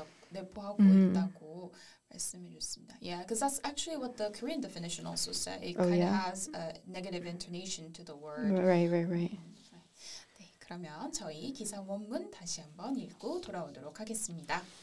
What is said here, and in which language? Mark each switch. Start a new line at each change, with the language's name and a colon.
Korean: 내포하고 있다고 말씀해 주셨습니다.
English: Yeah, because that's actually what the Korean definition also said. It has a negative intonation to the word. Right.
Korean: 네, 그러면 저희 기사 원문 다시 한번 읽고 돌아오도록 하겠습니다.